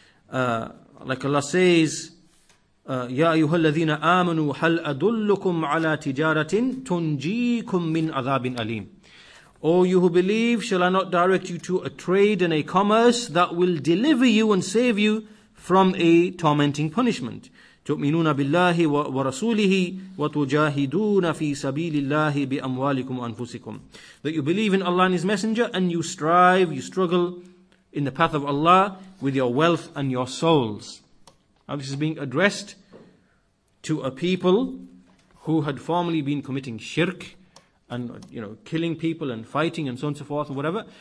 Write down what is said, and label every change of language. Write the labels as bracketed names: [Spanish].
[English] Like Allah says, [Arabic] يَا أَيُّهَا الَّذِينَ آمَنُوا هَلْ أَدُلُّكُمْ عَلَىٰ تِجَارَةٍ تُنْجِيكُمْ مِنْ عَذَابٍ أَلِيمٍ. [English] O you who believe, shall I not direct you to a trade and a commerce that will deliver you and save you from a tormenting punishment? [Arabic] تؤمنون بالله ورسوله وتجاهدون في سبيل الله بأموالكم وأنفسكم. [English] That you believe in Allah and His Messenger and you strive, you struggle in the path of Allah with your wealth and your souls. Now this is being addressed to a people who had formerly been committing shirk, and you know, killing people and fighting and so on and so forth and whatever.